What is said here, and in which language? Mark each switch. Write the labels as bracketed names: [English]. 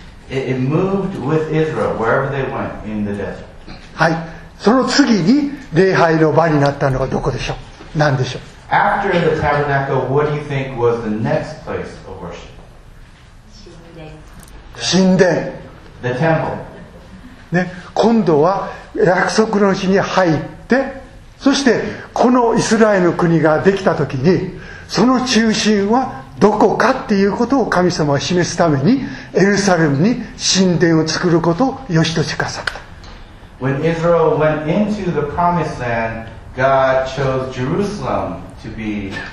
[English] It moved with Israel wherever they went in the desert. [Japanese] はい、その次に礼拝の場になったのはどこでしょう、何でしょう。 [English] After the tabernacle, what do you think was the next place of worship? [Japanese] 神殿。 [English] The temple. [Japanese] ね、今度は約束の地に入って、そしてこのイスラエルの国ができたときに、その中心はどこかっていうことを神様は示すためにエルサレムに神殿を作ることを良しとしてくださった。 [English] When Israel went into the promised land, God chose Jerusalem to be.